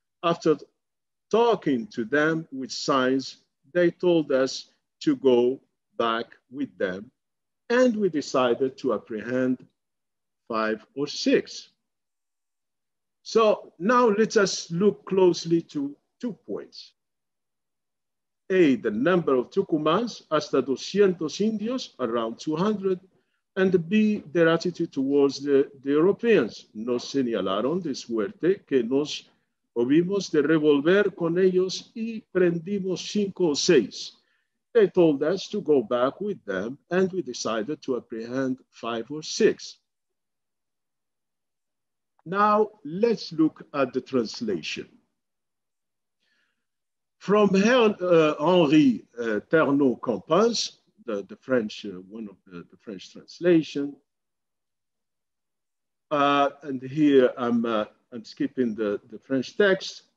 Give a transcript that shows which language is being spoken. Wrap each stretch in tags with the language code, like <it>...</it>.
<en>After talking to them with signs, they told us to go back with them, and we decided to apprehend 5 or 6. So now let us look closely to two points. A, the number of Tucumans,</en> <es>hasta 200 indios,</es> <en>around 200, and B, their attitude towards the Europeans.</en> <es>Nos señalaron de suerte que nos hubimos de revolver con ellos y prendimos</es> <en>5 or 6. They told us to go back with them, and we decided to apprehend 5 or 6. Now let's look at the translation. From Henri Ternaux Campins, the French, one of the French translation, and here I'm skipping the French text.</en>